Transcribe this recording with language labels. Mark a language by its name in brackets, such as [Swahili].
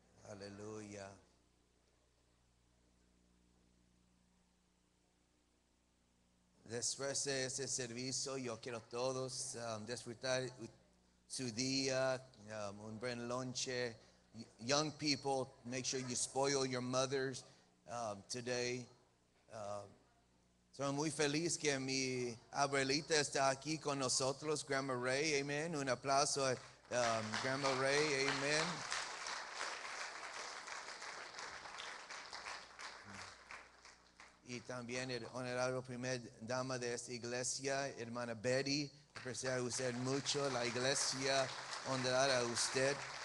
[Spanish] Aleluya. Después de este servicio, yo quiero todos disfrutar su día, un buen lunch. [English] Young people, make sure you spoil your mothers today. [Spanish] Soy muy feliz que mi abuelita está aquí con nosotros, Grandma Ray, amen. Un aplauso a Grandma Ray, amen. Y también el honorable primer dama de esta iglesia, hermana Betty, aprecio a usted mucho, la iglesia honrar a usted.